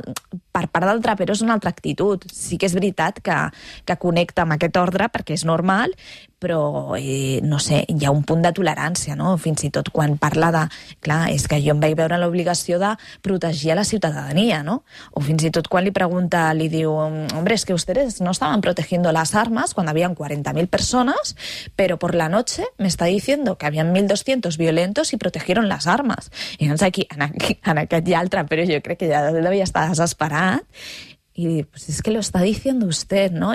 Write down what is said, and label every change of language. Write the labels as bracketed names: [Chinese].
[Catalan] Per part del Trapero és una altra actitud. Sí que és veritat que connecta amb aquest ordre, perquè és normal, però, no sé, hi ha un punt de tolerància, no? Fins i tot quan parla de... Clar, és que jo em vaig veure l'obligació de protegir a la ciutadania, no? O fins i tot quan li pregunta, li diu... [Spanish] Hombre, es que ustedes no estaban protegiendo las armas cuando habían 40.000 personas, pero por la noche me está diciendo que habían 1.200 violentos y protegieron las armas. [Catalan] I doncs aquí, en aquest i altre, però jo crec que ja devia estar desesperat. I dius, [Spanish] pues es que lo está diciendo usted, no?